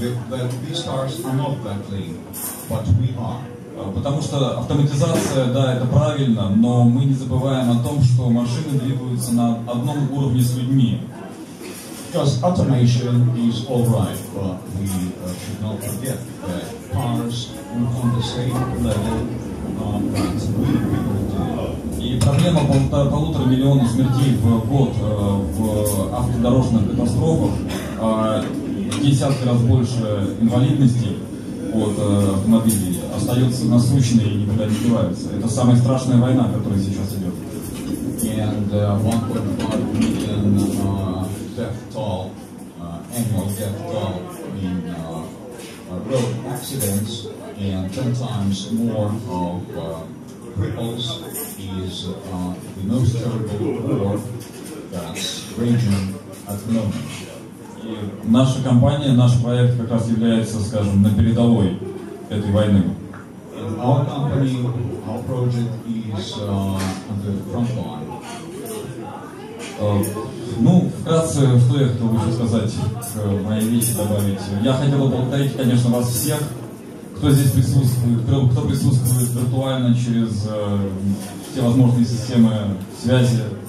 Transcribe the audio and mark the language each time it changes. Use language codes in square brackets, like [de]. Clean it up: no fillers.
[en] That these cars are not that link, but we are. [ru] Потому что автоматизация, да, это правильно, но мы не забываем о том, что машины двигаются на одном уровне с людьми. [en] Because automation is all right, but we should not forget that cars are on the same level as we people do. [ru] И проблема полутора миллиона смертей в год в автодорожных катастрофах, в десятки раз больше инвалидности от автомобилей остается насущной и никуда не девается. Это самая страшная война, которая сейчас идет. [en] And 1.5 million death toll, annual death toll in road accidents and 10 times more of cripples is the most terrible war that's raging at the moment. [ru] Наша компания, наш проект как раз является, скажем, на передовой этой войны. [en] Our company, our project is on the front line. [ru] Ну, вкратце, что я хотел бы еще сказать, к моей речи добавить. Я хотел бы поблагодарить, конечно, вас всех, кто здесь присутствует, кто присутствует виртуально через все возможные системы связи.